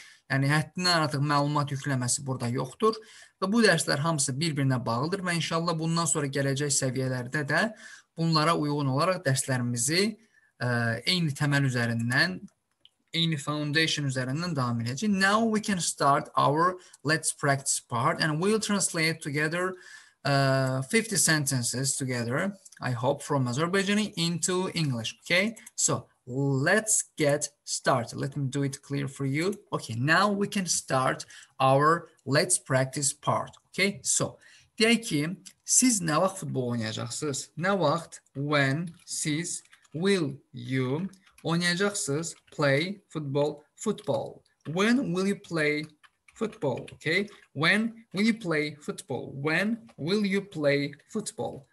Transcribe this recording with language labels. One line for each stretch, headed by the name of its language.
Azerbaijani: Yəni həddindən artıq məlumat yükləməsi burada yoxdur. Və bu dərslər hamısı bir-birinə bağlıdır. Və inşallah bundan sonra gələcək səviyyələrdə də bunlara uyğun olaraq dərslərimizi eyni təməl üzərindən, eyni foundation üzərindən davam edəcək.
English: Now we can start our let's practice part. And we'll translate together 50 sentences together. I hope from Azerbaijani into English. Okay, so let's get started. Let me do it clear for you. Okay, now we can start our let's practice part. Okay, so
Azerbaijani: deyək ki, siz nə vaxt futbol oynayacaqsınız? Nə vaxt, when, siz,
English: will you
Azerbaijani: oynayacaqsınız?
English: Play football, football. When will you play football? Okay, when will you play football? When will you play football?